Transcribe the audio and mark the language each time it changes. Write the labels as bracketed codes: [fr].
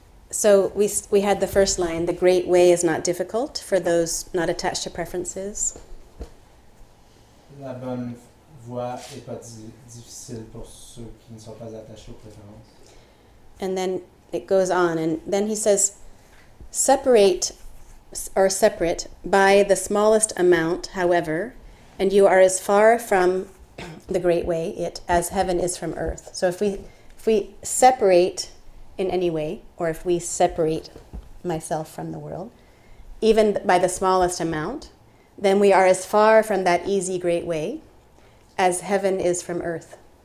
[en] So we had the first line, the great way is not difficult for those not attached to preferences. [fr] La bonne voie est pas difficile pour ceux qui ne sont pas attachés aux préférences. [en] And then it goes on. And then he says, separate or separate by the smallest amount, however, and you are as far from the great way, it, as heaven is from earth. So if we separate in any way, or if we separate myself from the world, even by the smallest amount, then we are as far from that easy great way as heaven is from earth.